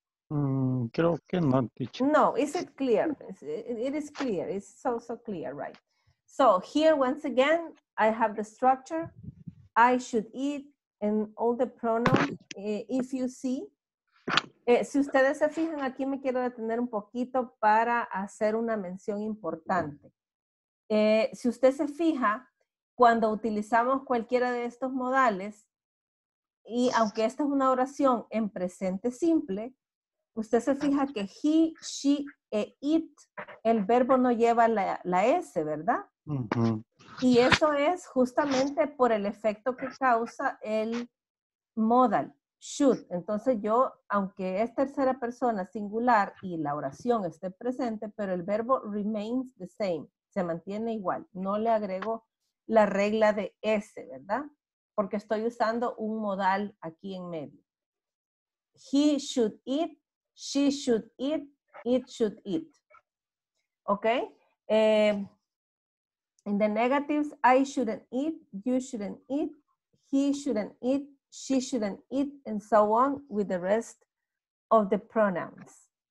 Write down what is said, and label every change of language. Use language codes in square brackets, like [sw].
[es] Creo que no, teacher. [en] No, is it clear? It is clear. It's so clear, right? So here, once again, I have the structure. I should eat, and all the pronouns, if you see. [es] Si ustedes se fijan, aquí me quiero detener un poquito para hacer una mención importante. Si usted se fija, cuando utilizamos cualquiera de estos modales, y aunque esta es una oración en presente simple, usted se fija que he, she, it, el verbo no lleva la S, ¿verdad? Y eso es justamente por el efecto que causa el modal, should. Entonces yo, aunque es tercera persona singular y la oración esté presente, pero el verbo [en] remains the same, [es] se mantiene igual. No le agrego la regla de S, ¿verdad? porque estoy usando un modal aquí en medio. [en] He should eat, she should eat, it should eat. ¿Ok? In the negatives, I shouldn't eat, you shouldn't eat, he shouldn't eat, she shouldn't eat, and so on with the rest of the pronouns.